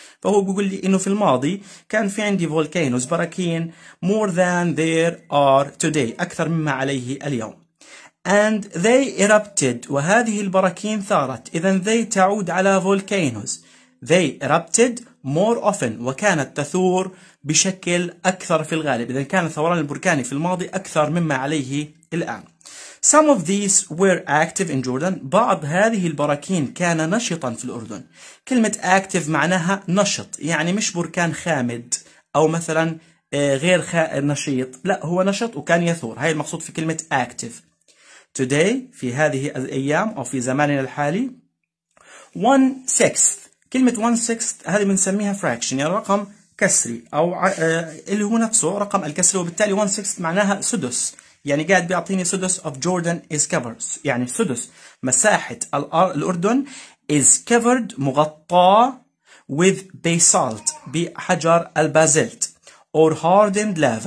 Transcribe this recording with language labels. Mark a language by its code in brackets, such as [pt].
[ar] فهو بيقول لي إنه في الماضي كان في عندي volcanoes براكين [en] more than there are today [ar] أكثر مما عليه اليوم. [en] And they erupted [ar] وهذه البراكين ثارت. إذن they تعود على volcanoes. [en] They erupted more often [ar] وكانت تثور بشكل أكثر في الغالب. إذن كان الثوران البركاني في الماضي أكثر مما عليه الآن. [en] Some of these were active in Jordan. [ar] بعض هذه البراكين كان نشطا في الأردن. كلمة active معناها نشط، يعني مش بركان خامد أو مثلا غير نشيط، لا هو نشط وكان يثور، هاي المقصود في كلمة active. Today في هذه الأيام أو في زماننا الحالي. 1/6 كلمة 1/6 هذه بنسميها fraction يعني رقم كسري أو اللي هو نفسه رقم الكسري، وبالتالي 1/6 معناها سدس، يعني قاعد بيعطيني سدس [en] of Jordan is covered [ar] يعني سدس مساحة الأردن [en] is covered [ar] مغطى [en] with basalt [ar] بحجر البازلت [en] or hardened lava.